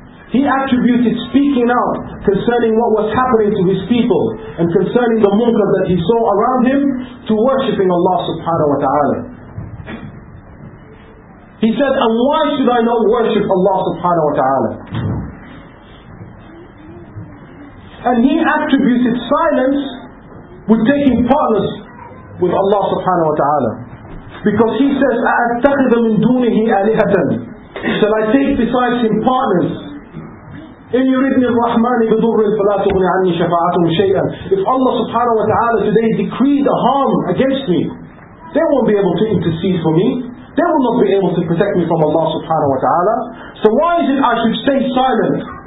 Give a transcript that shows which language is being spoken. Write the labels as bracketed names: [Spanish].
[English] He attributed speaking out concerning what was happening to his people and concerning the munkar that he saw around him to worshipping Allah subhanahu wa ta'ala. He said, and why should I not worship Allah subhanahu wa ta'ala? And he attributed silence with taking partners with Allah subhanahu wa ta'ala. Because he says, [Arabic] أَأَتَّخِذَ مِن دُونِهِ آلِهَةً. [English] Shall I take besides him partners? [Arabic] إِن يُرِدْنِ الرَّحْمَنِ بِضُرٍ فَلَا تُغْنِ عَنِّي شَفَاعَةٌ شَيْئًا. [English] If Allah subhanahu wa ta'ala today decreed a harm against me, they won't be able to intercede for me. They will not be able to protect me from Allah subhanahu wa ta'ala. So why is it I should stay silent?